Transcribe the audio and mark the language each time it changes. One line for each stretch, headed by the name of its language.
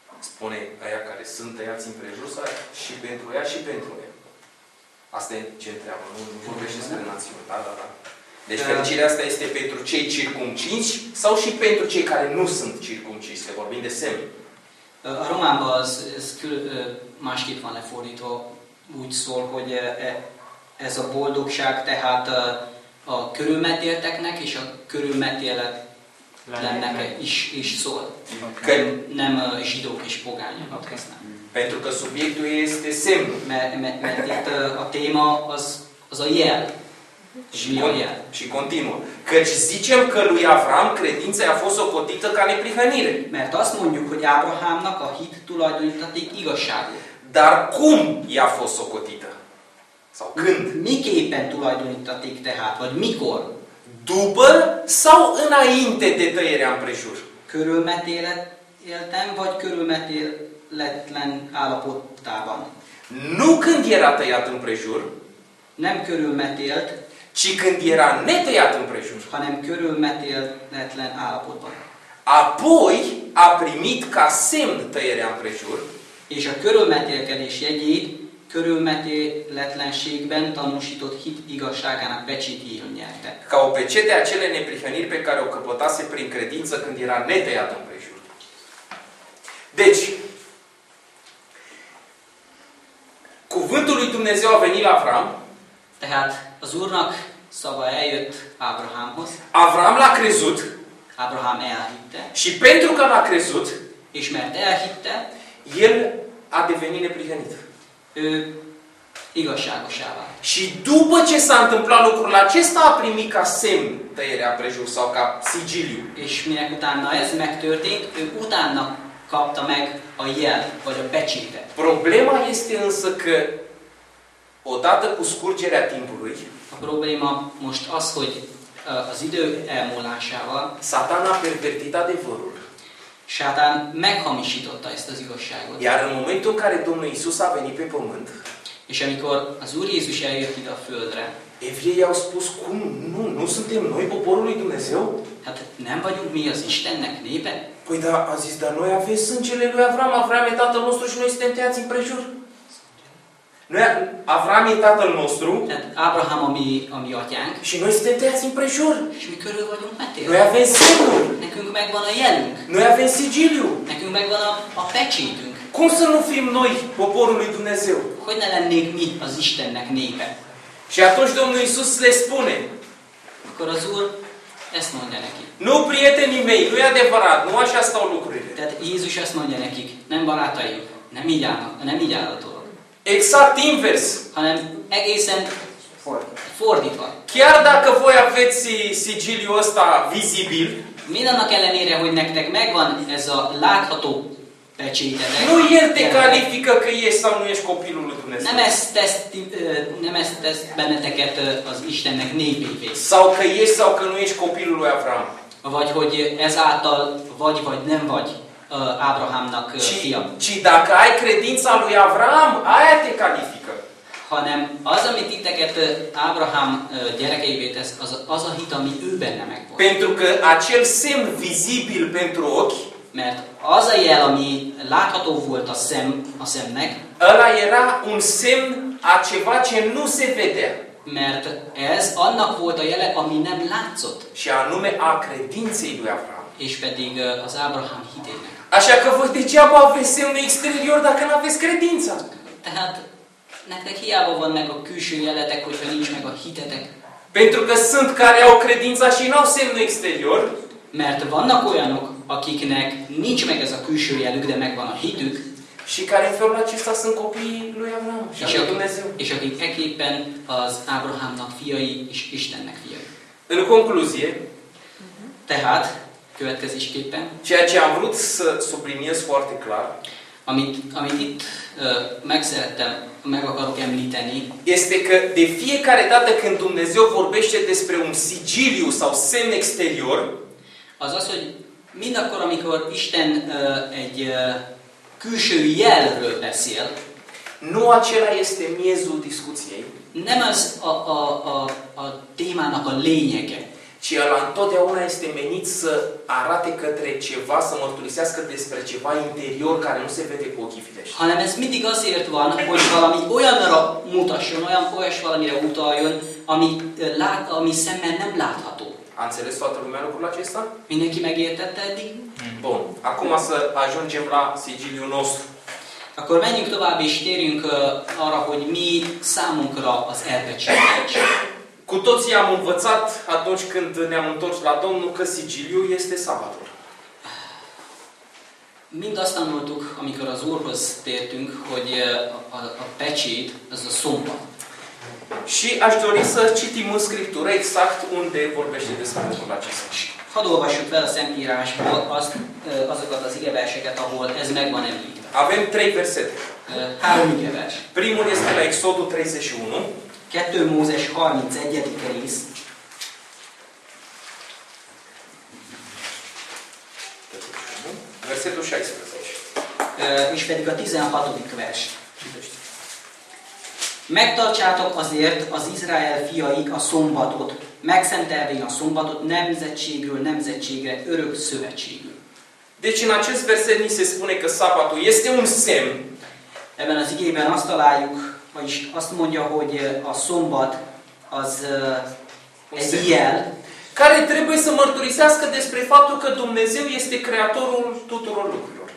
Romanian: Spune aia care sunt tăiați împrejur sau și pentru ea și pentru ea. Asta e ce întreabă. Nu vorbește despre națiune. Da, da, da. Deci fericirea asta este pentru cei circumcinși sau și pentru cei care nu sunt circumcinși. Că vorbim de semn.
Hungarian: Románban az, ez kül, másképp van lefordítva, úgy szól, hogy ez a boldogság tehát a körülmetélteknek és a körülmetélet lennek is szól. Okay. Nem a zsidók és pogányokat használ.
Romanian: Pentru că subiectul este semn.
Hungarian: Mert itt a téma az a jel.
Romanian: Și continuă. Căci zicem că lui Avram credința i-a fost socotită ca neprihănire.
Hungarian: Mert azt mondjuk, hogy Ábrahámnak a hit tulajdonítaték igazságú.
Romanian: Dar cum i-a fost socotită? Sau când?
Hungarian: Miképpen tulajdonítaték tehát, vagy mikor?
Romanian: După sau înainte de tăierea împrejur?
Hungarian: Körülmetéletem, vagy körülmetéletlen állapotában?
Romanian: Nu când era tăiat împrejur.
Hungarian: Nem körülmetélt.
Romanian: Ci când era netăiat împrejur.
Hungarian: Hanem körülmetéletlen állapotban.
Romanian: Apoi a primit ca semn tăierea împrejur.
Hungarian: És a körülmetélkedés jegyét körülmetéletlenségben tanúsított hit igazságának pecsétjéül nyerte.
Romanian: Ca o pecete acele neprihăniri pe care o căpătase prin credință când era netăiat împrejur. Deci, cuvântul lui Dumnezeu a venit la Avram.
Hungarian: Tehát az Úrnak szava eljött Ábrahámhoz.
Romanian: Avram l-a crezut.
Hungarian: Ábrahám elhitte.
Romanian: Și pentru că l-a crezut,
Hungarian: és mert elhitte,
Romanian: el a devenit neprihănit.
Hungarian: Ő igazságosá vált.
Romanian: Și după ce s-a întâmplat lucrul acesta, a primit ca semn tăierea împrejur sau ca sigiliu.
Hungarian: És minek utána ez megtörtént, ő utána kapta meg a jel, vagy a pecsétet.
Romanian: Problema este însă că odată cu scurgerea timpului,
Hungarian: a probléma most az, hogy az idő elmúlásával
Romanian: Satan a pervertit adevărul.
Hungarian: Satan meghamisította ezt az igazságot.
Romanian: Iar în momentul în care Domnul Iisus a venit pe pământ,
Hungarian: és amikor az Úr Jézus eljött ide a földre,
Romanian: evriei au spus, cum? Nu suntem noi poporul lui Dumnezeu?
Hungarian: Hát nem vagyunk mi az Istennek népe?
Romanian: Păi da, a zis, dar noi avem sângele lui Avram, Avram e tatăl nostru și noi suntem tăiați împrejur. Noi, Avram e tatăl nostru.
Hungarian: Tehát Abraham a mi atyánk.
Romanian: Și noi suntem tăiați împrejur.
Hungarian: Și mi körül vagyunk metél.
Romanian: Noi avem sigiliu.
Hungarian: Nekünk megvan a jelünk.
Romanian: Noi avem sigiliu.
Hungarian: Nekünk megvan a pecsétünk.
Romanian: Cum să nu fim noi poporul lui Dumnezeu?
Hungarian: Hogy ne lennék mi az Istennek népe?
Romanian: Și atunci Domnul Iisus le spune.
Hungarian: Akkor az Úr ezt mondja neki.
Romanian: Nu, prietenii mei, nu-i adevărat, nu așa stau lucrurile.
Hungarian: Tehát Jézus ezt mondja nekik, nem barátaim, nem így állnak, nem így áll a dolog.
Romanian: Exact invers.
Hungarian: Hanem egészen fordítva.
Romanian: Chiar dacă voi aveți sigiliul ăsta vizibil,
Hungarian: mindannak ellenére, hogy nektek megvan ez a látható pecsétetek.
Romanian: Nu el te califică că ești sau nu ești copilul lui Dumnezeu.
Hungarian: Nem ezt tesz benneteket az Istennek népévé.
Romanian: Sau că ești sau că nu ești copilul lui Avram.
Hungarian: Vagy hogy ezáltal vagy nem vagy Ábrahámnak fia.
Romanian: Ci dacă ai credința lui Avram, aia te califică.
Hungarian: Hanem az, amit titeket Ábrahám gyerekeivé tesz, az, az a hit, ami ő benne megvolt.
Romanian: Pentru că acel semn vizibil pentru ochi,
Hungarian: mert az a jel, ami látható volt a szem, a szemnek,
Romanian: ăla era un semn a ceva ce nu se vedea.
Hungarian: Mert ez annak volt a jele, ami nem látszott.
Romanian: Și anume a credinței lui Avram.
Hungarian: És pedig az Ábrahám hitének.
Romanian: Așa că voi degeaba aveți semne exterior dacă n-aveți credința.
Hungarian: Tehát nektek hiába van meg a külső jeletek, hogyha nincs meg a hitetek.
Romanian: Pentru că sunt care au credința și n-au semne exterior.
Hungarian: Mert vannak olyanok, akiknek nincs meg ez a külső jelük, de megvan a hitük.
Romanian: Și care în felul acesta sunt copiii lui Avram și a lui Dumnezeu.
Hungarian: És akik eképpen az Ábrahámnak fiai és Istennek fiai.
Romanian: În concluzie,
Hungarian: tehát, következésképpen,
Romanian: ceea ce am vrut să subliniez foarte clar,
Hungarian: amit itt megszerettem, meg akarok említeni,
Romanian: este că de fiecare dată când Dumnezeu vorbește despre un sigiliu sau semn exterior,
Hungarian: az az, hogy mindakkor, amikor Isten egy külső jelről beszél,
Romanian: nu acela este miezul discuției,
Hungarian: nem az a témának a lényege,
Romanian: ci ăla întotdeauna este menit să arate către ceva, să mărturisească despre ceva interior care nu se vede cu ochii firești.
Hungarian: Hanem ez mindig azért van, hogy valami olyanra mutasson, olyan folyas valamire utaljon, ami szemmel nem látható.
Romanian: A înțeles toată lumea lucrul acesta?
Hungarian: Mindenki megértette eddig?
Romanian: Bun. Acum să ajungem la sigiliul nostru.
Hungarian: Akkor menjünk tovább és térjünk arra, hogy mi számunkra az elpecsételés.
Romanian: Cu toții am învățat atunci când ne-am întors la Domnul că sigiliul este sabatul.
Hungarian: Mind azt tanultuk, amikor az Úrhoz tértünk, hogy a pecsét, az a szombat.
Romanian: Și aș dori să citim în Scriptură exact unde vorbește despre lucrul acesta.
Hungarian: Hadd olvassuk fel a Szentírásból azokat az igeverseket, ahol ez megvan említve.
Romanian: Avem trei versete.
Hungarian: Három igevers.
Romanian: Primul este la Exodul 31.
Hungarian: 2 Mózes 31. rész.
Romanian: Versetul 16.
Hungarian: És pedig a 16. vers. Megtartsátok azért az Izrael fiaik a szombatot, megszentelvén a szombatot nemzetségről nemzetségre örök szövetségül.
Romanian: Deci în acest verset ni se spune că sabatul este un semn.
Hungarian: Ebben az igében azt találjuk, vagyis azt mondja, hogy a szombat az egy jel.
Romanian: Care trebuie să mărturisească despre faptul că Dumnezeu este creatorul tuturor lucrurilor.